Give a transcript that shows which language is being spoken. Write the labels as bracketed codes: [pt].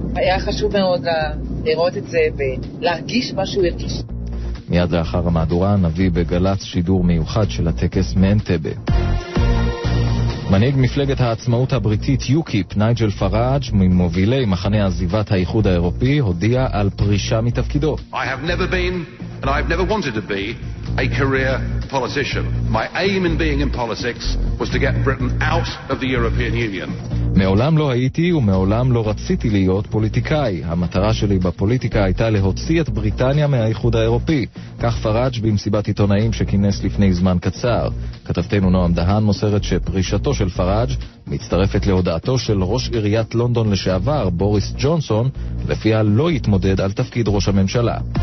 [he] היה חשוב מאוד לראות את זה ולהרגיש מה שהוא הרגיש. מיד לאחר המהדורה נביא בגלץ שידור מיוחד של הטקס מאנטבה. מנהיג מפלגת העצמאות הבריטית יוקיפ, נייג'ל פראג', ממובילי מחנה עזיבת האיחוד האירופי, הודיע על פרישה מתפקידו. [en] I have never been and I've never wanted to be a career politician. My aim in being in politics was to get Britain out of the European Union. [he] מעולם לא הייתי ומעולם לא רציתי להיות פוליטיקאי. המטרה שלי בפוליטיקה הייתה להוציא את בריטניה מהאיחוד האירופי. כך פראג' במסיבת עיתונאים שכינס לפני זמן קצר. כתבתנו נועם דהן מוסרת שפרישתו של פראג' מצטרפת להודעתו של ראש עיריית לונדון לשעבר, בוריס ג'ונסון, לפיה לא יתמודד על תפקיד ראש הממשלה.